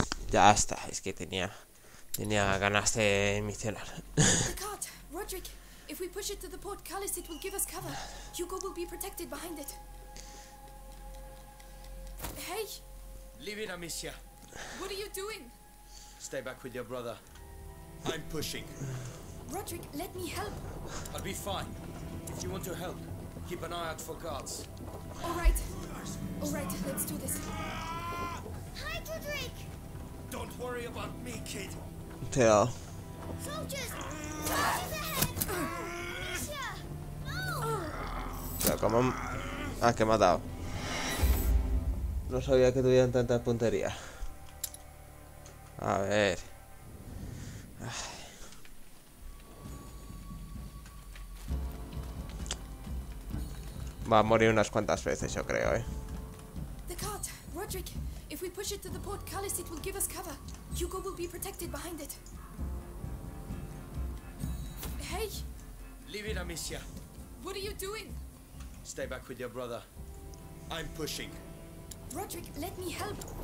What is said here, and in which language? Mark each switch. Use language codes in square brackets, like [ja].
[es] Ya está, es que tenía ganas de misionar. [en] The cart, Roderick. If we push it to the port, Callis, it will give us cover. Hugo will be protected behind it. Hey. Leave it, Amicia. What are you doing? Stay back with your brother. I'm pushing. Roderick, let me help. I'll be fine. If you want to help, keep an eye out for guards. All right. All right, let's do this. Hi, Roderick. Don't worry about me, kid. [es] Pero. [en] Soldiers, soldiers ahead. [es] Pero cómo. Ah, que me ha dado. No sabía que tuvieran tanta puntería. A ver. Va a morir unas cuantas veces, yo creo, [en] The cart, Roderick. If we push it to the port, Callis, it will give us cover. Hugo will be protected behind it. Hey! Leave it, Amicia. What are you doing? Stay back with your brother. I'm pushing. Roderick, let me help.